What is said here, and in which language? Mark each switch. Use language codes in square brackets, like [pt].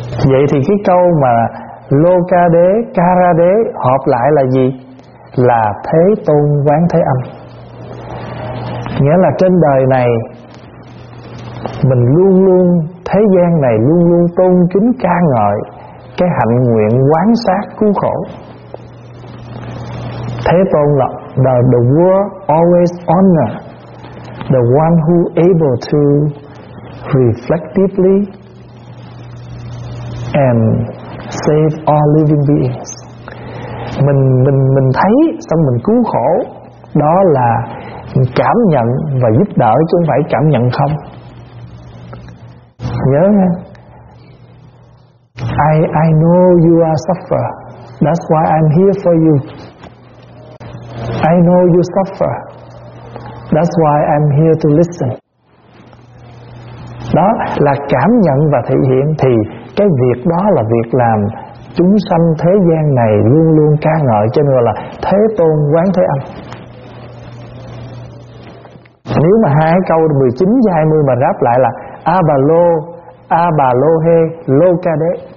[vi] Vậy thì cái câu mà lô ca đế, ca ra đế hợp lại là gì? Là Thế Tôn Quán Thế Âm. Nghĩa là trên đời này mình luôn luôn, thế gian này luôn luôn tôn kính ca ngợi cái hạnh nguyện quán sát cứu khổ. Thế Tôn là [en] the world always honor the one who able to reflectively and save all living beings. Mình thấy xong mình cứu khổ, đó là mình cảm nhận và giúp đỡ chứ không phải cảm nhận không. [vi] Nhớ nha, [en] I know you are suffer, that's why I'm here for you. I know you suffer, that's why I'm here to listen. [vi] Đó là cảm nhận và thể hiện. Thì cái việc đó là việc làm chúng sanh thế gian này luôn luôn ca ngợi, cho nên là Thế Tôn Quán Thế Âm. Nếu mà hai câu 19 và 20 mà ráp lại là A Bà Lô Hê Lô Ca Đế.